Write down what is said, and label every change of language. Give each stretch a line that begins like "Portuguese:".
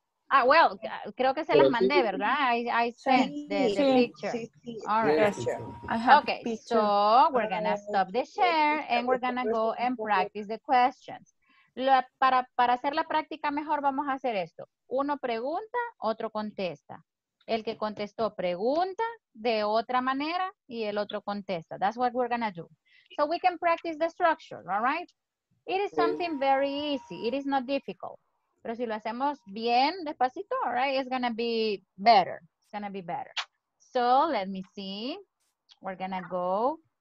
English: Ah, well,
Spanish: creo que se las mandé, ¿verdad?
English: I sent the picture. All right. Yes, sir. I have okay, picture. So we're going to stop the share and we're going to go and practice the questions.
Spanish: Para hacer la práctica mejor, vamos a hacer esto. Uno pregunta, otro contesta. El que contestó pregunta de otra manera y el otro contesta.
English: That's what we're going to do. So we can practice the structure, all right? It is something very easy. It is not difficult.
Spanish: Pero si lo hacemos bien, despacito,
English: all right? It's going to be better. It's going to be better. So let me see. We're going to go.